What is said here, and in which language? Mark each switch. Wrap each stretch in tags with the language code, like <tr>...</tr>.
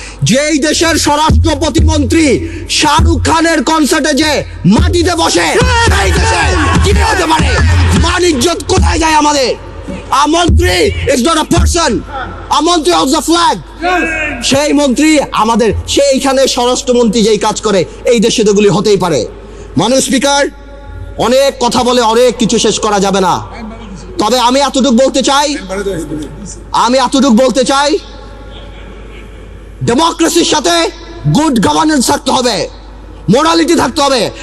<bn>যেই দেশের স্বরাষ্ট্র প্রতিমন্ত্রী শাহরুখ খানের কনসার্টে যে মাটিতে বসে, এই দেশে কি হতে পারে? মান ইজ্জত কোথায় যায় আমাদের?</bn> <en>A mantri is not a person, a mantri holds a flag.</en> <bn>সেই মন্ত্রী আমাদের, সেই এখানে স্বরাষ্ট্র মন্ত্রী যেই কাজ করে, এই দেশে এগুলি হতেই পারে। মাননীয় স্পিকার, অনেক কথা বলে অনেক কিছু শেষ করা যাবে না, তবে আমি এতটুকু বলতে চাই, আমি এতটুকু বলতে চাই, ডেমোক্রেসির সাথে গুড গভর্নেন্স থাকতে হবে, মোরালিটি থাকতে হবে।</bn>